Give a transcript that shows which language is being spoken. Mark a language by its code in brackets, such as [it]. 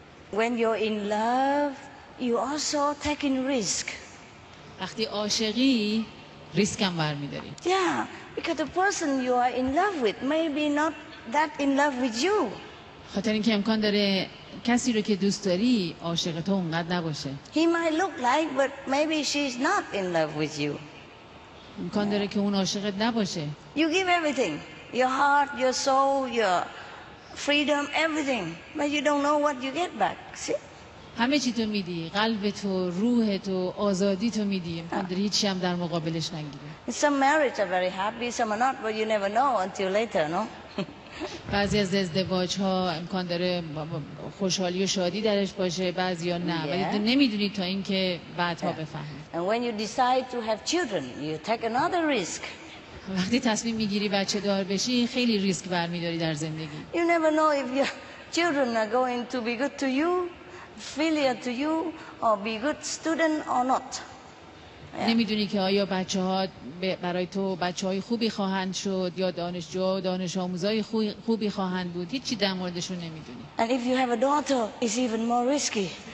[en] When you're in love, you also take in risk. [fa] وقتی عاشقی ریسک هم برمی‌داری. [en] Yeah, because the person you are in love with may be not that in love with you. [fa] خاطر اینکه امکان داره کسی رو که دوست داری عاشق تو اونقدر نباشه. [en] He might look like, but maybe she's not in love with you. [fa] امکان داره که اون عاشقت نباشه. [en] You give everything, your heart, your soul, your freedom, everything, but you don't know what you get back. See? [fa] همه چی تو میدی، قلبت و روحت و آزادی تو میدی، امکان داره هیچی هم در مقابلش نگیری. [en] Some marriages are very happy, some are not, but you never know until later, no? [fa] بعضی از ازدواج ها امکان داره خوشحالی و شادی درش باشه، بعضی ها نه، ولی تو نمیدونی تا اینکه بعدها بفهمی. [en] And when you decide to have children, you take another risk. [fa] وقتی تصمیم میگیری بچه دار بشی، خیلی ریسک برمیداری در زندگی. [en] You never know if your children are going to be good to you, filial to you, or be good student or not. [fa] نمیدونی که آیا بچه ها برای تو بچه های خوبی خواهند شد یا دانشجو و دانش آموزای خوبی خواهند بود. هیچی در موردشون نمیدونی. [en] And if you have a daughter, it's even more risky.